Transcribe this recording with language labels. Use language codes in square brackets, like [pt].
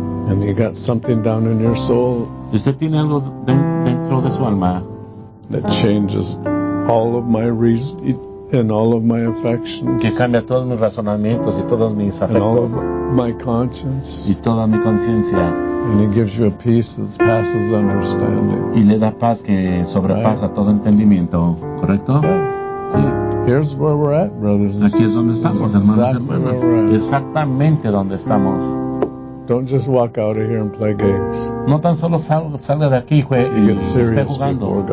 [en] And you got something down in your soul. [es] Usted tiene algo dentro de su alma. [en] That changes all of my reason and all of my affections. [es] Que cambia todos mis razonamientos y todos mis afectos. [en] And all of my conscience. [es] Y toda mi conciencia. [en] And it gives you a peace that passes understanding. [es] Y le da paz que sobrepasa right. todo entendimiento. ¿Correcto? [en] Yeah. Sí. Here's where we're at, brothers. [es] Aquí es donde estamos, hermanos. Exactamente donde estamos. [en] Don't just walk out of here and play games. [es] No tan solo salga de aquí, juegue, y esté jugando.